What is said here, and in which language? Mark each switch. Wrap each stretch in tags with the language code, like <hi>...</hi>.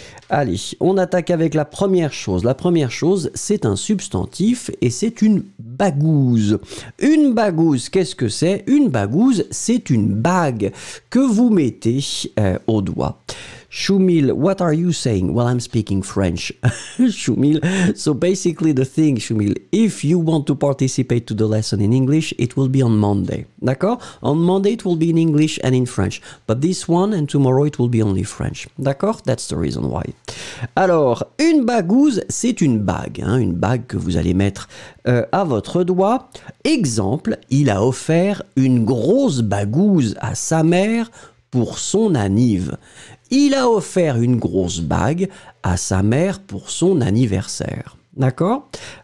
<fr>Allez, on attaque avec la première chose. La première chose, c'est un substantif et c'est une bagouze. Une bagouze, qu'est-ce que c'est ? Une bagouze, c'est une bague que vous mettez au doigt.</fr> <en>Shumil, what are you saying? Well, I'm speaking French. Shumil, so basically the thing, Shumil, if you want to participate to the lesson in English, it will be on Monday.</en> <fr>D'accord?</fr> <en>On Monday, it will be in English and in French. But this one and tomorrow, it will be only French.</en> <fr>D'accord?</fr> <en>That's the reason why.</en> <fr>Alors, une bagouze, c'est une bague. Hein, une bague que vous allez mettre à votre doigt. Exemple, il a offert une grosse bagouze à sa mère pour son anniv. Il a offert une grosse bague à sa mère pour son anniversaire. D'accord ?</fr>